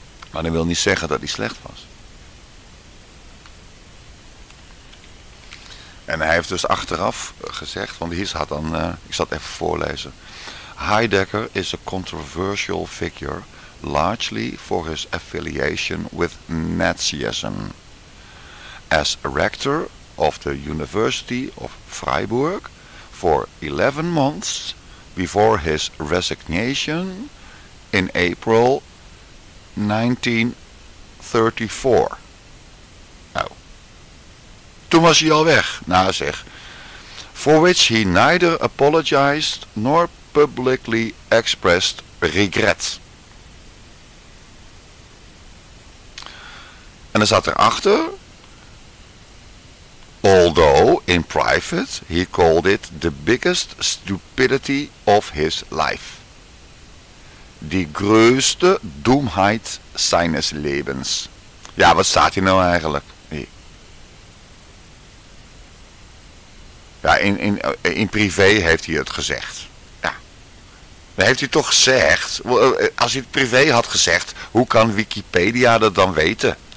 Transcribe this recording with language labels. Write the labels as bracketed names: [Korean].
[Dutch] Maar dat wil niet zeggen dat hij slecht was. En hij heeft dus achteraf gezegd, want hier staat dan, ik zal het even voorlezen. [English] Heidegger is a controversial figure, largely for his affiliation with Nazism. As rector of the University of Freiburg for 11 months before his resignation in April 1934. [Dutch] Nou, toen was hij al weg. Nou zeg. [English] For which he neither apologized nor publicly expressed regret. [Dutch] En dan zat erachter. [English] Although in private he called it the biggest stupidity of his life. [Dutch] Die grootste domheid zijns levens. Ja, wat staat hier nou eigenlijk? Hier. Ja, in privé heeft hij het gezegd. Ja. Dan heeft hij toch gezegd. Als hij het privé had gezegd, hoe kan Wikipedia dat dan weten?